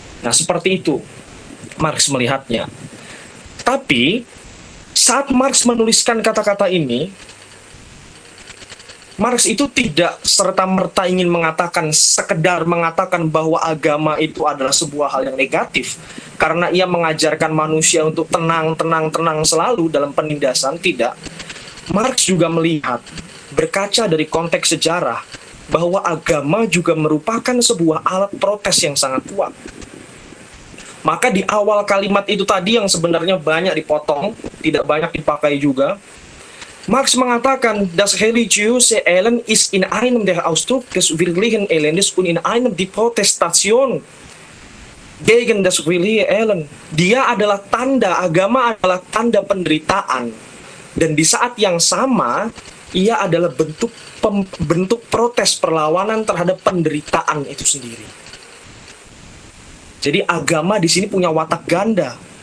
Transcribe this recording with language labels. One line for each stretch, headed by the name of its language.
Indonesian: Nah seperti itu Marx melihatnya. Tapi saat Marx menuliskan kata-kata ini, Marx itu tidak serta-merta ingin mengatakan bahwa agama itu adalah sebuah hal yang negatif, karena ia mengajarkan manusia untuk tenang selalu dalam penindasan. Tidak. Marx juga melihat, berkaca dari konteks sejarah, bahwa agama juga merupakan sebuah alat protes yang sangat kuat. Maka di awal kalimat itu tadi yang sebenarnya banyak dipotong, tidak banyak dipakai juga, Marx mengatakan,
German: Das religiöse Elend ist in einem der Ausdruck des wirklichen Elendes und in einem die Protestation gegen das wirkliche Elend.
Indonesian: Dia adalah tanda, agama adalah tanda penderitaan. Dan di saat yang sama, ia adalah bentuk protes, perlawanan terhadap penderitaan itu sendiri. Jadi agama di sini punya watak ganda.